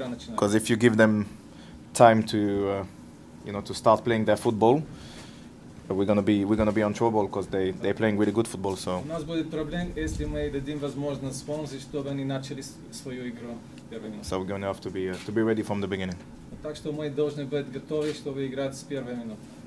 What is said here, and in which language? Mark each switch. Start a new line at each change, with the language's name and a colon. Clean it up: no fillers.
English: Because if you give them time to, you know, to start playing their football, we're gonna be on trouble because they're playing really good football. So.
Russian: У нас будет проблем, если мы дадим возможность Swansea, чтобы они начали свою игру.
English: So we're gonna have to be ready from the beginning.
Russian: Так что мы должны быть готовы, чтобы играть с первой минуты.